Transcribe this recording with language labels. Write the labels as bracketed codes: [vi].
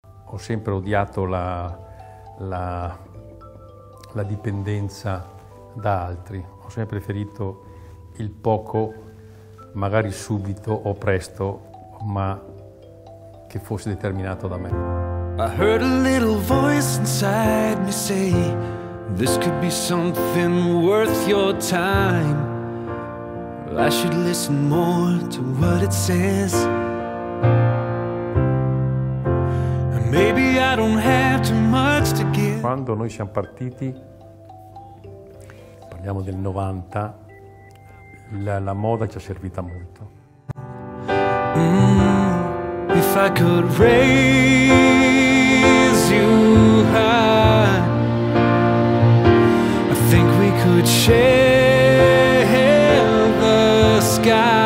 [it] ho sempre odiato la dipendenza da altri, ho sempre preferito il poco, magari subito o presto, ma che fosse determinato da me. [en] I heard a little voice inside me say, this could be something worth your time. I should listen more to what it says. Maybe I don't have too much to give. [it] Quando noi siamo partiti, parliamo del 90, la moda ci è servita molto. [en] If I could raise you high, I think we could share the sky.